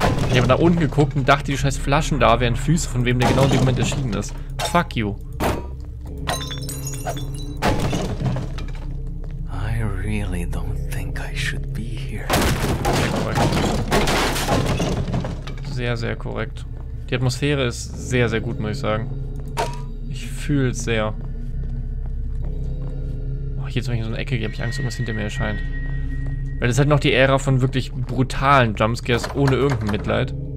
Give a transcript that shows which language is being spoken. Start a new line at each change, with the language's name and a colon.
German: Ich habe nach unten geguckt und dachte, die scheiß Flaschen da wären Füße von wem der genau in dem Moment erschienen ist.
English: Fuck you. I really don't think I should be here.
German: Sehr korrekt. Sehr, sehr korrekt. Die Atmosphäre ist sehr, sehr gut, muss ich sagen. Ich fühle es sehr. Oh, jetzt bin ich in so einer Ecke, hier habe ich Angst, irgendwas hinter mir erscheint. Weil das ist halt noch die Ära von wirklich brutalen Jumpscares ohne irgendein Mitleid.